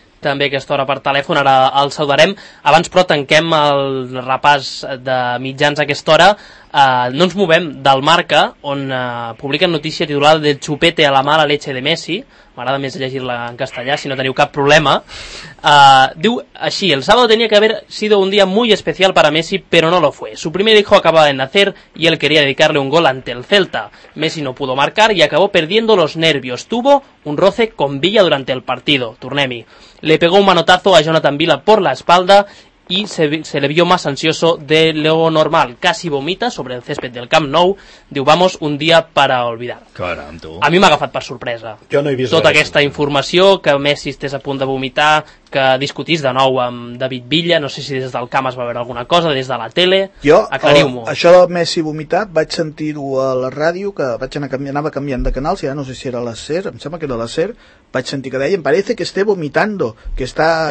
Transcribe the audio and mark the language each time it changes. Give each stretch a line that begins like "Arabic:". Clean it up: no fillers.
Catalan: també aquesta hora per telèfon, ara el saludarem. Abans però tanquem el repàs de mitjans a aquesta hora. No ens movem del Marca, on publiquen notícia titulada del xupete a la mala leche de Messi. M'agrada més llegir-la en castellà, si no teniu cap problema. Diu així:
Spanish: el sábado tenía que haber sido un día muy especial para Messi, pero no lo fue. Su primer hijo acababa de nacer y él quería dedicarle un gol ante el Celta. Messi no pudo marcar y acabó perdiendo los nervios. Tuvo un roce con Villa durante el partido.
Catalan: Tornem-hi.
Spanish: Le pegó un manotazo a Jonathan Villa por la espalda y se le vio más ansioso de lo normal. Casi vomita sobre el césped del Camp Nou.
Catalan: Diu,
Spanish: vamos, un día para olvidar.
Catalan: Caram, tu. A mi m'ha agafat per sorpresa. Jo no he vist tota aquesta informació, que Messi estés a punt de vomitar, que discutís de nou amb David Villa, no sé si des del camp es va veure alguna cosa, des de la tele, aclariu-m'ho. Això de Messi vomitar, vaig sentir-ho a la ràdio, que vaig anar canviant de canals, ja no sé si era la SER, em sembla que era la SER, vaig sentir que deien,
Spanish: parece que esté vomitando,
Catalan: que està...